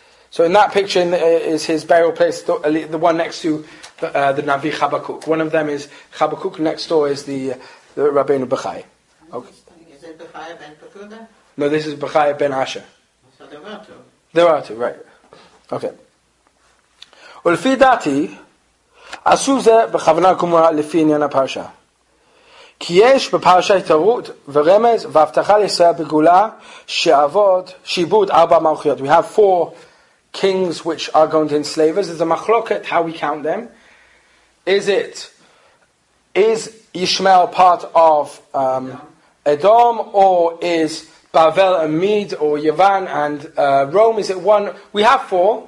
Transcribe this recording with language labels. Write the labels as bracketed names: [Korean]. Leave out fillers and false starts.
[English] So in that picture is his burial place, the one next to the Navi Habakkuk. One of them is Habakkuk, next door is the Rabbeinu Bechaye. Okay. Is it Bechaye ben Pekuda? No, this is Bechaye ben Asher. So there are two, right. Okay. [Hebrew] ולפי דעתי, עשו זה בכוונה גמורה לפי עניין הפרשה. כי יש בפרשה התארות ורמז והבטחה לישראל בגולה שיבוד ארבע מלכויות. [English] We have four kings which are going to enslave us. There's a machloket how we count them. Is Ishmael part of Edom, or is Bavel and Med, or Yavan and Rome? Is it one? We have four.